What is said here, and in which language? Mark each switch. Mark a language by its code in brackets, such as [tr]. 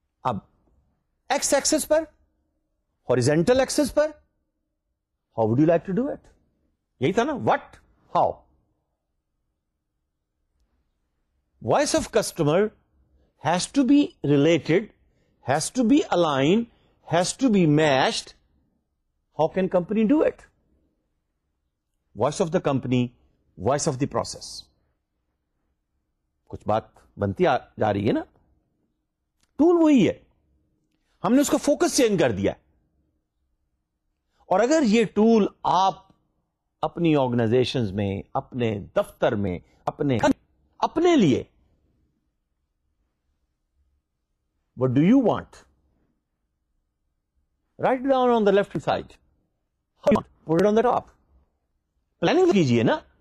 [en] اب X axis پر, horizontal axis پر, how would you like to do it, [ur] یہی تھا نا [en] What how. Voice of customer has to be related, has to be align, has to be meshed. How can company do it, voice of the company, voice of the process. [ur] کچھ بات بنتی جا رہی ہے نا. ٹول وہی ہے, ہم نے اس کا فوکس چینج کر دیا. اور اگر یہ ٹول آپ اپنی آرگنائزیشنز میں, اپنے دفتر میں, اپنے لیے, [en] What do you want, write down on the left side, put it on the top. [ur] Planning کیجئے نا.